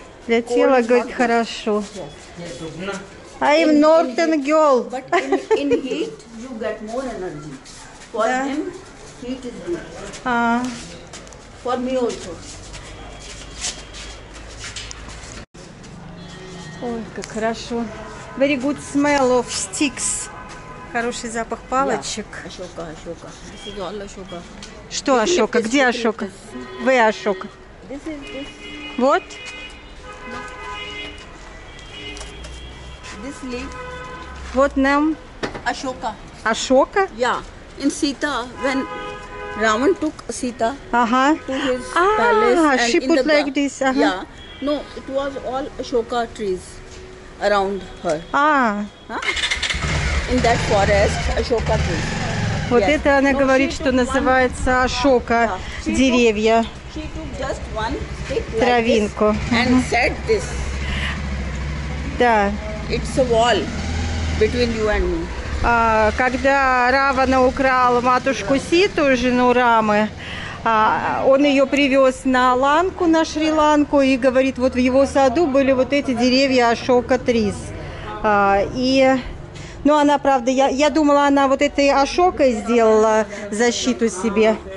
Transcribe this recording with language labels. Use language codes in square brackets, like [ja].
[ru] Для тела говорит хорошо. [en] I am northern girl. But in heat you get more energy. For him heat is good. А. For me also. [ru] Ой, как хорошо. [en] Very good smell of sticks. [ru] Хороший запах палочек. Ашока, ашока. [en] This is all ашока. [ru] Что ашока? Где ашока? Вы ашока. [en] This is this. [ru] Вот. [en] This leaf. [ru] Вот нам. Ашока. Ашока? [en] Yeah. In Sita, when Raman took Sita to his palace. Ah, she put like this. Uh-huh. Yeah. No, it was all Ashoka trees around her. Ah. Huh? In that forest, Ashoka trees. [ru] Вот [en] yes. [ru] Это она [en] no, [ru] говорит, что называется Ашока деревья. [en] She took just one stick like [ru] травинку. [en] This and said this. [ru] Да. [en] It's a wall between you and me. [ru] Когда Равана украл матушку Ситу, жену Рамы, он ее привез на Ланку, на Шри-Ланку, и говорит, вот в его саду были вот эти деревья Ашока Трис. Ну, она, правда, я думала, она вот этой Ашокой сделала защиту себе.